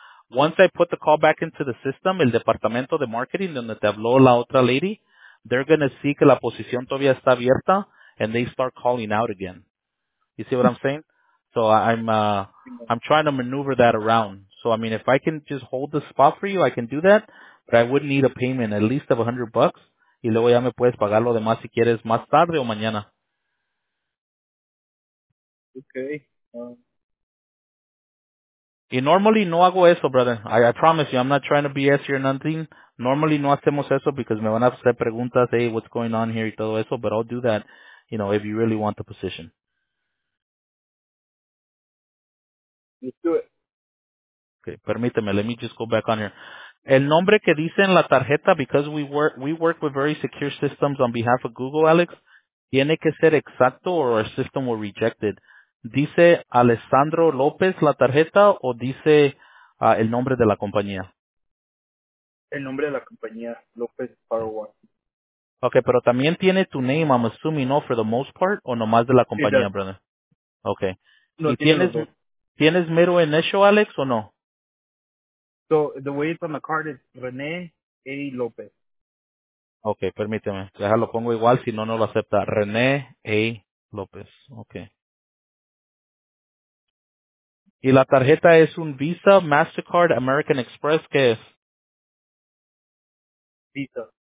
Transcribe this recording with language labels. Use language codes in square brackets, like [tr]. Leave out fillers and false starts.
[en] Once I put the call back into the system, [es] el departamento de marketing donde te habló la otra lady, [en] they're going to see [es] que la posición todavía está abierta [en] and they start calling out again. You see what I'm saying? So I'm trying to maneuver that around. So, I mean, if I can just hold the spot for you, I can do that. But I would need a payment, at least of $100. [es] Y luego ya me puedes pagar lo demás si quieres más tarde o mañana. [en] Okay. [es] Y normally no hago eso, brother. [en] I promise you, I'm not trying to BS you or nothing. Normally [es] no hacemos eso [en] because [es] me van a hacer preguntas, [en] hey, what's going on here [es] y todo eso. [en] But I'll do that, you know, if you really want the position. Let's do it. Okay, permíteme, let me just go back on here. [es] El nombre que dice en la tarjeta, [en] because we work with very secure systems on behalf of Google, Alex, [es] tiene que ser exacto [en] or our system will reject it. [es] ¿Dice Alessandro López la tarjeta o dice el nombre de la compañía? El nombre de la compañía, López Firewall. Okay, pero también tiene tu name, [en] I'm assuming, [es] no, [en] for the most part, [es] o nomás de la compañía, sí, [en] brother. Okay. [es] No, ¿y tienes mero en eso, Alex, o no? [en] So the way it's on the card is René A. López. [es] Okay, permíteme. Déjalo, pongo igual, si no, no lo acepta. René A. López. Okay. ¿Y la tarjeta es un Visa, MasterCard, American Express? ¿Qué es? Visa.